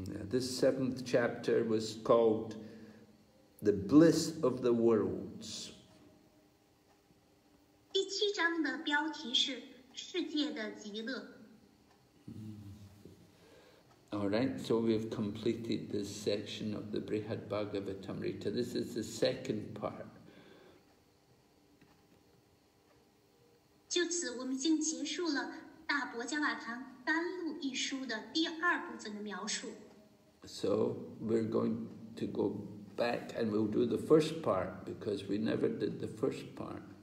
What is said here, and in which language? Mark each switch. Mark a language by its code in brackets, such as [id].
[en] This 7th chapter was called The Bliss of the Worlds. [zh] 第七章的标题是世界的极乐。 [en] Alright, so we have completed this section of the Brihad Bhagavatamrita. This is the second part. [zh] 就此我们已经结束了大伯加瓦堂甘露一书的第二部分的描述。 [en] So we're going to go back and we'll do the first part because we never did the first part.